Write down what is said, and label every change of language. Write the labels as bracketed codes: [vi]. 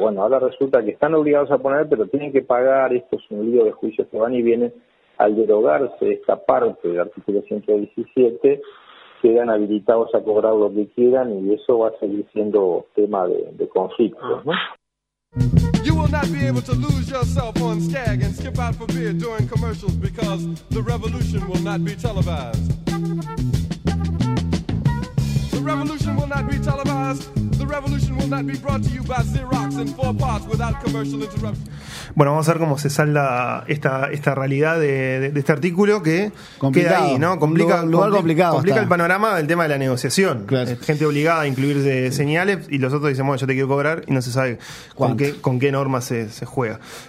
[es] Bueno, ahora resulta que están obligados a poner, pero tienen que pagar. Esto es un lío de juicios que van y vienen. Al derogarse esta parte del artículo 117, quedan habilitados a cobrar lo que quieran y eso va a seguir siendo tema de conflicto, ¿no? [en] You will not be able to lose yourself on Skag and skip out for beer during commercials because the revolution will not be televised. The revolution will not be televised. The revolution will not be brought to you by Xerox in four parts without commercial interruption. [es] Bueno, vamos a ver cómo se salda esta realidad de este artículo que complicado. Queda ahí, ¿no? Complica el panorama del tema de la negociación. Claro. Gente obligada a incluir señales y los otros dicen, bueno, yo te quiero cobrar y no se sabe con qué normas se juega.